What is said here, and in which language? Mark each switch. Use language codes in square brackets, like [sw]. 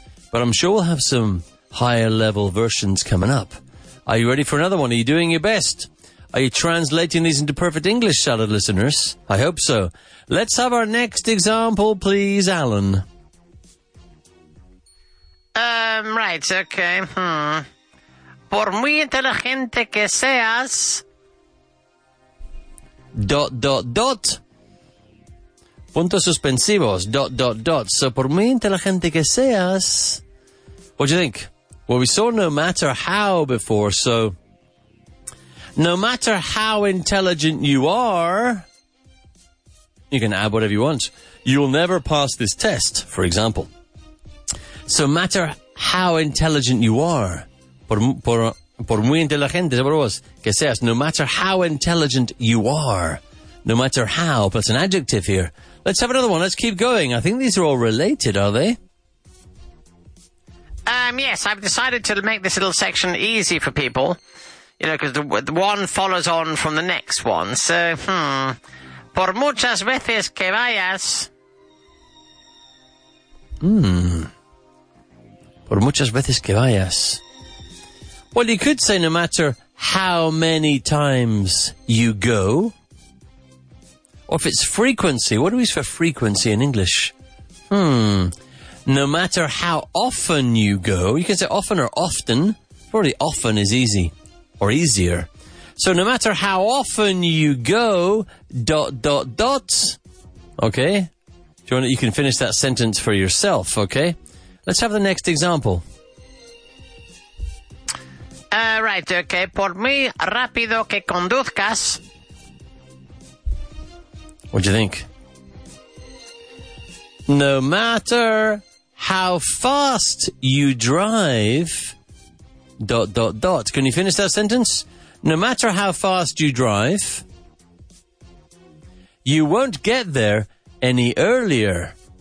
[en] But I'm sure we'll have some higher level versions coming up. Are you ready for another one? Are you doing your best? Are you translating these into perfect English, Salad listeners? I hope so. Let's have our next example, please, Alan. Right, okay. [es] Por muy inteligente que seas... [en] Dot, dot, dot. [es] Puntos suspensivos. [en] Dot, dot, dot. [es] So, por muy inteligente que seas... [en] What do you think? Well, we saw no matter how before, so... No matter how intelligent you are... You can add whatever you want. You'll never pass this test, for example. So, matter how intelligent you are... [es] Por muy inteligente, [en] is that what it was? [es] Que seas. [en] No matter how intelligent you are. No matter how. Plus an adjective here. Let's have another one. Let's keep going. I think these are all related, are they? Yes. I've decided to make this little section easy for people. You know, because the one follows on from the next one. [es] So, Por muchas veces que vayas... Por muchas veces que vayas... [en] Well, you could say no matter how many times you go. Or if it's frequency, what do we use for frequency in English? No matter how often you go. You can say often or often. Probably often is easy or easier. So no matter how often you go, dot, dot, dot. Okay. Do you want to, you can finish that sentence for yourself, okay? Let's have the next example. Right, okay. [es] Por muy rápido que conduzcas. [en] What do you think? No matter how fast you drive... Dot, dot, dot. Can you finish that sentence? No matter how fast you drive, you won't get there any earlier.